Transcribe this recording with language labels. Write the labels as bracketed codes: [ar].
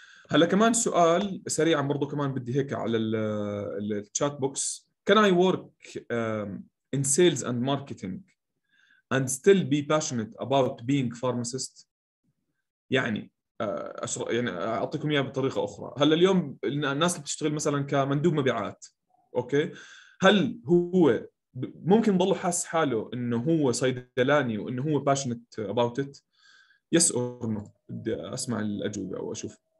[ar] هلا كمان سؤال سريع برضو كمان بدي هيك على الشات بوكس. [en] Can I work in sales and marketing and still be passionate about being pharmacist؟ [ar] يعني أعطيكم إياه بطريقة أخرى. هلا اليوم الناس اللي بتشتغل مثلا كمندوب مبيعات، أوكي، هل هو ممكن ضلوا حاس حاله إنه هو صيدلاني وإنه هو [en] passionate about it؟ Yes or no؟ [ar] بدي أسمع الأجوبة وأشوف.